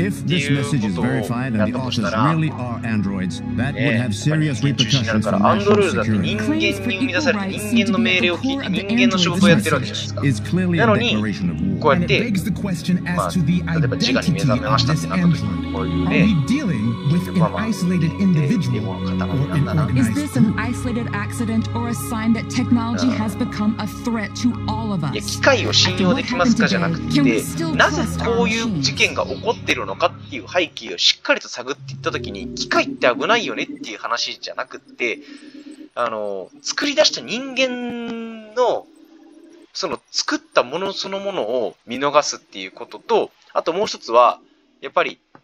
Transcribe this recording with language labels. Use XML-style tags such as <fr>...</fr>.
<ja>っていうことをやったとしたら、やっぱり人間中心になるから、アンドロイドだって人間に生み出されて、人間の命令を聞いて、人間の仕事をやってるわけじゃないですか。なのに、こうやって、まあ、例えば自我に目覚めましたってなった時に、こういうね、まあまあ、で、でも</ja> <en>Is this an isolated accident or a sign that technology has become a threat to all of us?</en> <ja>機械を信用できますかじゃなくて、なぜこういう事件が起こっているのかっていう背景をしっかりと探っていったときに、機械って危ないよねっていう話じゃなくて、作り出した人間のその作ったものそのものを見逃すっていうことと、あともう一つはやっぱり。</ja>